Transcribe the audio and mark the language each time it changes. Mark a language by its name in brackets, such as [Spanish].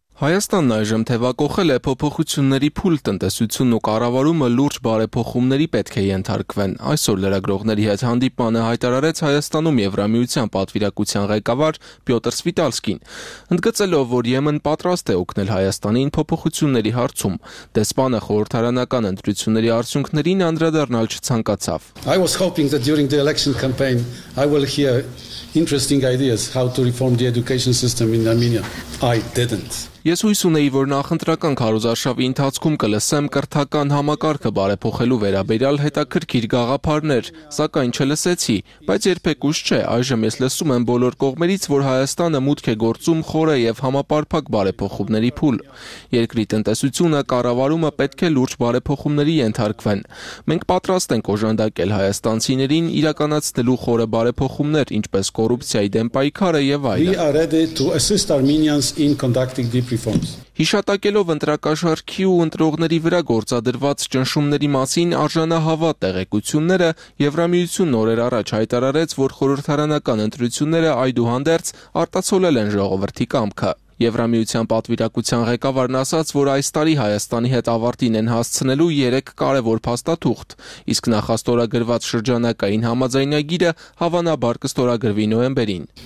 [Armenian] Հայաստանն այժմ թևակոխել է փոփոխությունների փուլ, տնտեսությունն ու կառավարումը լուրջ բարեփոխումների պետք է ենթարկվեն։ Այսօր լրագրողների հետ հանդիպմանը հայտարարեց Հայաստանում Եվրամիության պատվիրակության ղեկավար Պյոտր Սվիտալսկին, ընդգծելով, որ ԵՄ-ն պատրաստ է օգնել Հայաստանին փոփոխությունների հարցում։ Դեսպանը խորհրդարանական ընտրությունների արդյունքներին անդրադառնալ չցանկացավ։ [English] I was hoping that during the election campaign I will hear interesting ideas how to reform the education system in Armenia. I didn't. [Armenian] Ես հույս ունեի, որ նախընտրական քարոզարշավի ընթացքում կլսեմ կրթական համակարգը բարեփոխելու վերաբերյալ հետաքրքիր գաղափարներ, սակայն չլսեցի, բայց երբեք ուշ չէ, այժմ ես լսում եմ բոլոր կողմերից, որ Հայաստանը մուտք է գործում խորը եւ համապարփակ բարեփոխումների փուլ։ Երկրի տնտեսությունը, կառավարումը պետք է լուրջ բարեփոխումների ենթարկվեն։ Մենք պատրաստ ենք օժանդակել հայաստանցիներին իրականացնելու խորը բարեփոխումներ, ինչպես կոռուպցիայի դեմ պայքարը եւ այլն։ [English] We are ready to assist Armenians in conducting deep reforms. [Armenian] Հիշատակելով ընտրակաշարքի ու ընտրողների վրա գործադրված ճնշումների մասին արժանահավատ տեղեկությունները, Եվրամիությունն օրեր առաջ հայտարարեց, որ խորհրդարանական ընտրությունները այդուհանդերձ արտացոլել են ժողովրդի կամքը. Եվրամիության պատվիրակության ղեկավարն ասաց, որ այս տարի Հայաստանի հետ ավարտին են հասցնելու 3 կարևոր փաստաթուղթ, իսկ նախաստորագրված շրջանակային համաձայնագիրը հավանաբար կստորագրվի նոյեմբերին։